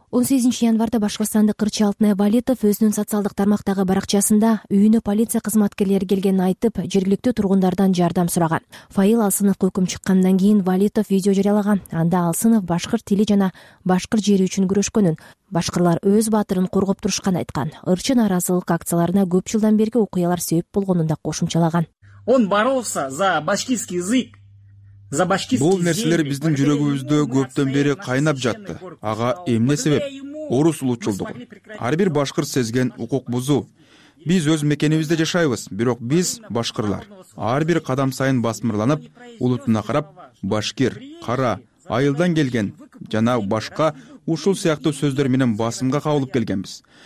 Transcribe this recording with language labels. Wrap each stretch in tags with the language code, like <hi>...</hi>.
<ky>18 январда башкырстандык Кырчы Алтынай Валетов өзүнүн социалдык тармактагы баракчасында үйүнө полиция кызматкерлери келгенин айтып, жергиликтүү тургундардан жардам сураган. Фаил Алсыновко өкүм чыккандан кийин Валетов видео жарыялаган. Анда Алсынов башкыр тили жана башкыр жери үчүн күрөшкөнүн, башкырлар өз баатырын коргоп турушканын айткан. Ырчы нааразылык акцияларына көп жылдан берги окуялар себеп болгонун да кошумчалаган.</ky> <ru>Он боролся за башкирский язык.</ru> <ky>Бул нерселер биздин жүрөгүбүздө көптөн бери кайнап жатты. Ага эмне себеп? орус улутчулдугу. Ар бир башкыр сезген укук бузуу. Биз өз мекенибизде жашайбыз, бирок биз башкырлар. Ар бир кадам сайын басмырланып, улутуна карап, башкир, кара, айылдан келген жана башка ушул сыяктуу сөздөр менен басымга кабылып келгенбиз.</ky>